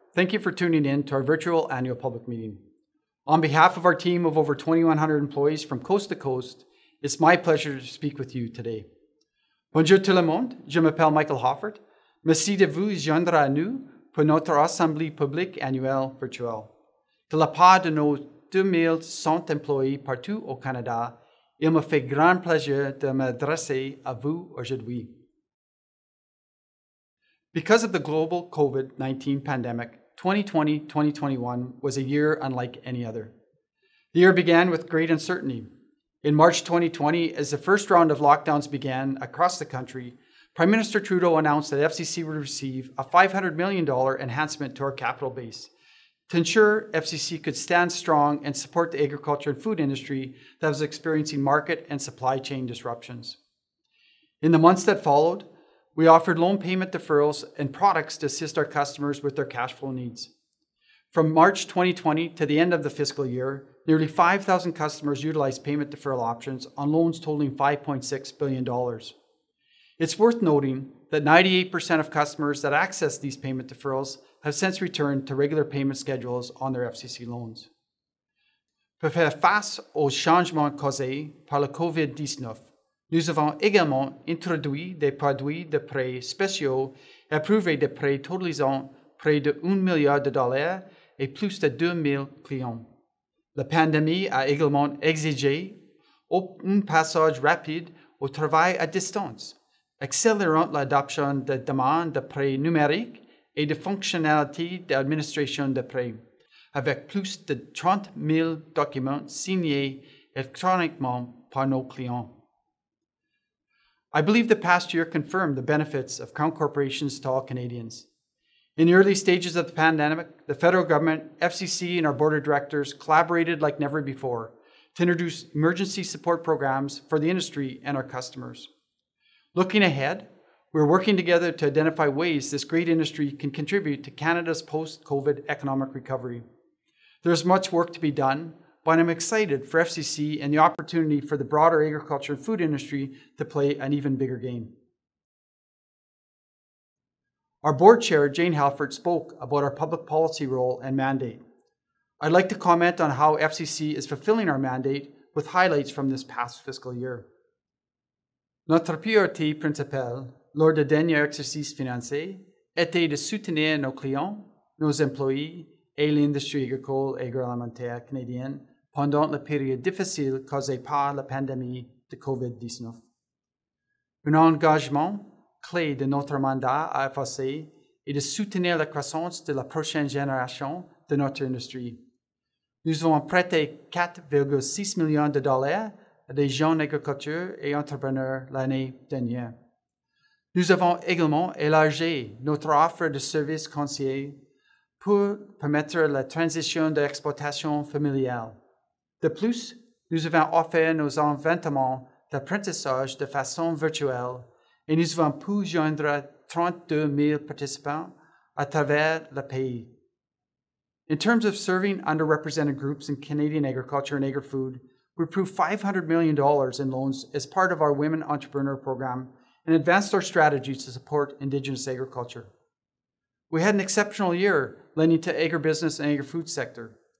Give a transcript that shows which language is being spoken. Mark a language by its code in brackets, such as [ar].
[en] Thank you for tuning in to our virtual annual public meeting. On behalf of our team of over 2,100 employees from coast to coast, it's my pleasure to speak with you today. [fr] Bonjour tout le monde, je m'appelle Michael Hoffort. Merci de vous joindre à nous pour notre Assemblée publique annuelle virtuelle. De la part de nos 2,100 employés partout au Canada, il me fait grand plaisir de m'adresser à vous aujourd'hui. [en] Because of the global COVID-19 pandemic, 2020-2021 was a year unlike any other. The year began with great uncertainty. In March 2020, as the first round of lockdowns began across the country, Prime Minister Trudeau announced that FCC would receive a $500 million enhancement to our capital base to ensure FCC could stand strong and support the agriculture and food industry that was experiencing market and supply chain disruptions. In the months that followed, we offered loan payment deferrals and products to assist our customers with their cash flow needs. From March 2020 to the end of the fiscal year, nearly 5,000 customers utilized payment deferral options on loans totaling $5.6 billion. It's worth noting that 98% of customers that accessed these payment deferrals have since returned to regular payment schedules on their FCC loans. [fr] Pour faire face au changement causé par le COVID-19, nous avons également introduit des produits de prêts spéciaux et approuvé des prêts totalisant près de $1 milliard et plus de 2 000 clients. La pandémie a également exigé un passage rapide au travail à distance, accélérant l'adoption de demandes de prêts numériques et de fonctionnalités d'administration de prêts, avec plus de 30 000 documents signés électroniquement par nos clients. [en] I believe the past year confirmed the benefits of Crown Corporations to all Canadians. In the early stages of the pandemic, the federal government, FCC, and our board of directors collaborated like never before to introduce emergency support programs for the industry and our customers. Looking ahead, we're working together to identify ways this great industry can contribute to Canada's post-COVID economic recovery. There's much work to be done, but I'm excited for FCC and the opportunity for the broader agriculture and food industry to play an even bigger game. Our board chair, Jane Halford, spoke about our public policy role and mandate. I'd like to comment on how FCC is fulfilling our mandate with highlights from this past fiscal year. [fr] Notre priorité principale lors du dernier exercice financier était de soutenir nos clients, nos employés et l'industrie agricole et agroalimentaire canadienne pendant la période difficile causée par la pandémie de COVID-19. Un engagement clé de notre mandat à FAC est de soutenir la croissance de la prochaine génération de notre industrie. Nous avons prêté $4.6 million à des jeunes agriculteurs et entrepreneurs l'année dernière. Nous avons également élargi notre offre de services conseillers pour permettre la transition de l'exploitation familiale. De plus, nous avons offert nos inventements d'apprentissage de façon virtuelle et nous avons pu joindre 32 000 participants à travers le pays. [en] In terms of serving underrepresented groups in Canadian agriculture and agri-food, we approved $500 million in loans as part of our Women Entrepreneur Program and advanced our strategies to support Indigenous agriculture. We had an exceptional year lending to agribusiness and agri-food sector.